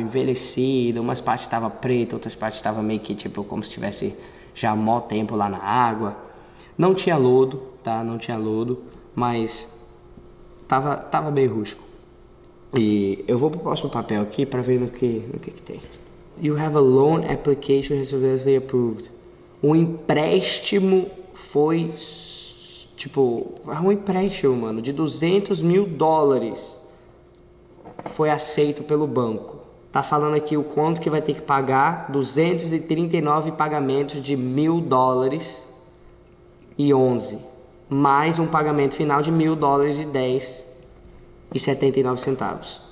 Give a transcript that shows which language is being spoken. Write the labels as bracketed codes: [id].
[pt] Envelhecida. Umas partes estavam pretas, outras partes estavam meio que, tipo, como se tivesse já mó tempo lá na água. Não tinha lodo, tá? Não tinha lodo. Mas tava bem rústico. E eu vou pro próximo papel aqui pra ver no que tem. [en] You have a loan application recently approved. [pt] O empréstimo foi... Tipo, é um empréstimo, mano, de 200 mil dólares foi aceito pelo banco. Tá falando aqui o quanto que vai ter que pagar, 239 pagamentos de mil dólares e 11, mais um pagamento final de mil dólares e 10 e 79 centavos.